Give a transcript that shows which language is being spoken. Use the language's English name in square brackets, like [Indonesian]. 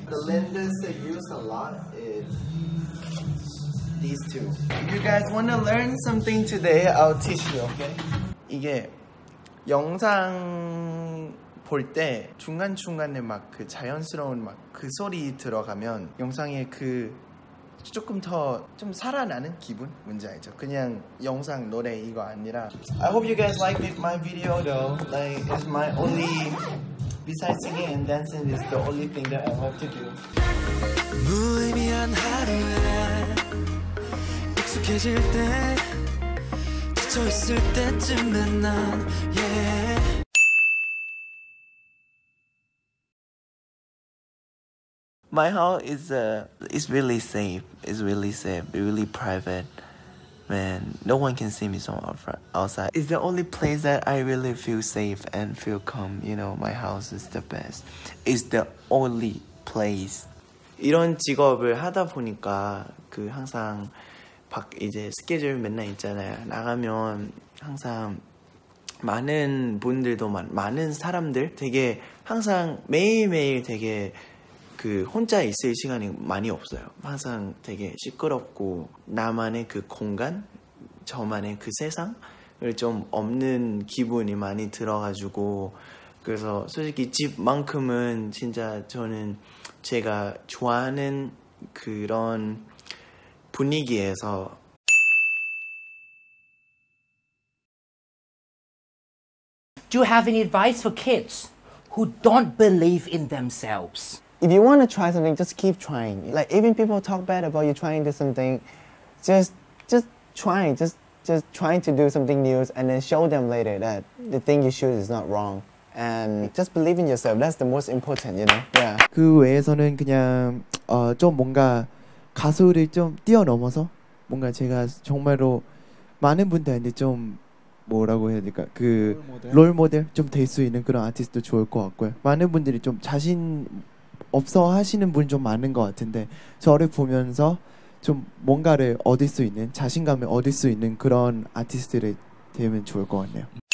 [English] The lenses they use a lot is these two. If you guys want to learn something today, I'll teach you, okay? [Korean] 이게 영상 볼 때 중간중간에 막 그 자연스러운 막 그 소리 들어가면 영상에 그 조금 더 좀 살아나는 기분? 뭔지 알죠? 그냥 영상, 노래 이거 아니라 [English] I hope you guys like my video though. Like, it's my only besides singing and dancing is the only thing that I want to do. [Korean] 무의미한 하루에 익숙해질 때 지쳐있을 때쯤에 난 yeah. [English] 마이 하우스 is really safe. It's really safe. Really private. Man, no one can see me from outside. It's the only place that I really feel safe and feel calm. You know, my house is the best. It's the only place. [Korean] 이런 직업을 하다 보니까 그 항상 이제 스케줄 맨날 있잖아요. 나가면 항상 많은 분들도 많은 사람들 되게 항상 매일매일 되게 그 혼자 있을 시간이 많이 없어요. 항상 되게 시끄럽고 나만의 그 공간, 저만의 그 세상을 좀 없는 기분이 많이 들어가지고 그래서 솔직히 집만큼은 진짜 저는 제가 좋아하는 그런 분위기에서 [English] Do you have any advice for kids who don't believe in themselves? If you want to try something, just keep trying. Like, even people talk bad about you trying to do something, just try. Just trying to do something new and then show them later that the thing you choose is not wrong. And just believe in yourself. That's the most important, you know? Yeah. [Korean] 그 외에서는 그냥 좀 뭔가 가수를 좀 뛰어넘어서 뭔가 제가 정말로 많은 분들한테 좀 뭐라고 해야 될까 그 롤모델 좀 될 수 있는 그런 아티스트도 좋을 것 같고요. 많은 분들이 좀 자신 없어 하시는 분 좀 많은 것 같은데 저를 보면서 좀 뭔가를 얻을 수 있는 자신감을 얻을 수 있는 그런 아티스트를 되면 좋을 것 같네요.